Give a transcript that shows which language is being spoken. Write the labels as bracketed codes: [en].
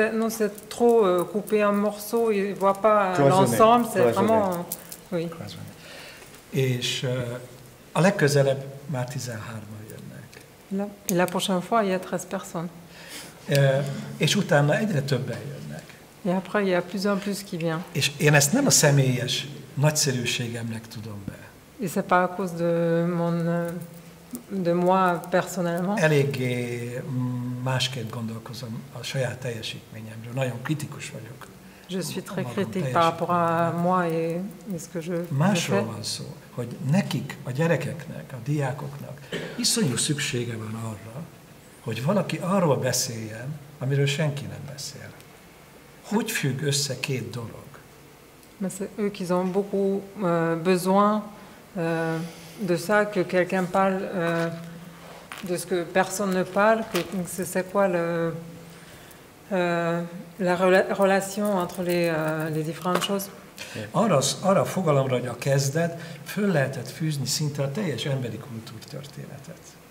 [fr] C'est trop coupé en morceaux, il voit pas l'ensemble, c'est vraiment oui. [hu] És a legközelebb már 13-an jönnek. [fr] La prochaine fois il y a 13 personnes. [hu] És utána egyre többen jönnek. [fr] Et après il y a plus en plus qui vient. [hu] És én ezt nem a személyes nagyszerűségemnek tudom be. [fr] Et c'est pas à cause de mon de moi personnellement. [hu] Eléggé másként gondolkozom a saját teljesítményemről. Nagyon kritikus vagyok. [fr] Je suis très critique par rapport à moi et ce que je fais. [hu] Másról van szó, hogy nekik, a gyerekeknek, a diákoknak iszonyú szüksége van arra, hogy valaki arról beszéljen, amiről senki nem beszél. Hogy függ össze két dolog? [fr] Mais c'est eux qui ont beaucoup besoin de ça, que quelqu'un parle de ce que personne ne parle, que c'est quoi le... la relation entre les différentes choses. [hu] Arra fogalomra, hogy a kezdet föl lehetett fűzni szinte a teljes emberi kultúrtörténetet.